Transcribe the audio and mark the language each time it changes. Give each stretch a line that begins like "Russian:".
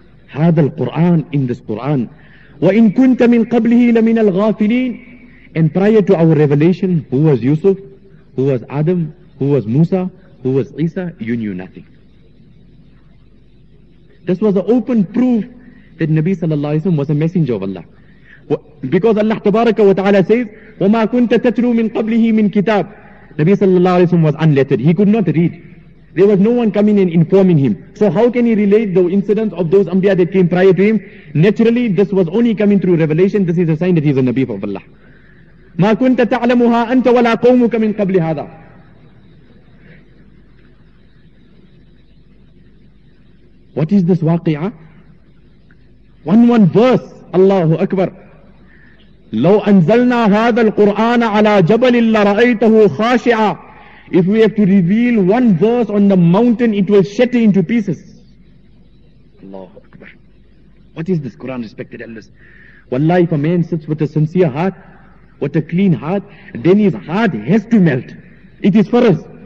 Arabic: هَذَا الْقُرْآنِ.
English: In this Quran.
Arabic: وَإِنْ كُنْتَ مِنْ قَبْلِهِ لَمِنَ الْغَافِلِينَ.
English: And prior to our revelation, who was Yusuf? Who was Adam? Who was Musa? Who was Isa? You knew nothing. This was the open proof that Nabi sallallahu alayhi wa sallam was a messenger of Allah. Because Allah tabaraka wa ta'ala says,
Arabic: وَمَا كُنْتَ تَتْرُو مِنْ قَبْلِهِ مِنْ كِتَابٍ.
English: Nabi sallallahu alayhi wa sallam was unlettered. He could not read. There was no one coming and informing him. So how can he relate the incidents of those anbiya that came prior to him? Naturally, this was only coming through revelation. This is a sign that he is a Nabi of Allah.
Arabic: مَا كُنْتَ تَعْلَمُهَا أَنْتَ وَلَا قَوْمُكَ مِنْ قَبْلِ هَذَا.
English: What is this waqi'ah? One verse, Allahu Akbar.
Arabic: لو أنزلنا هذا القرآن على جبل لرأيته خاشعا.
English: If we have to reveal one verse on the mountain, it will shatter into pieces. Allahu Akbar. What is this Quran, respected elders? Wallahi, if a man sits with a sincere heart, with a clean heart, then his heart has to melt. It is for us.